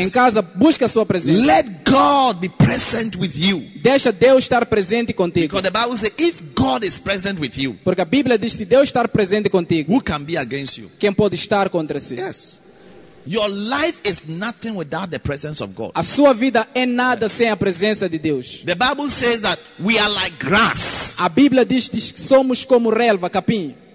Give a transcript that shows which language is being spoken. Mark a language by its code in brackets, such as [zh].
[pt] Em casa, busca a sua presença. [en] Let God be present with you. [pt] Deixa Deus estar presente contigo. [en] Because the Bible says, if God is present with you, [pt] porque a Bíblia diz que Deus está presente contigo, [en] who can be against you? [pt] Quem pode estar contra si? [en] Yes. Your life is nothing without the presence of God. [pt] A sua vida é nada sem a presença de Deus. [en] The Bible says that we are like grass. [pt] A Bíblia diz que somos como relva, capim.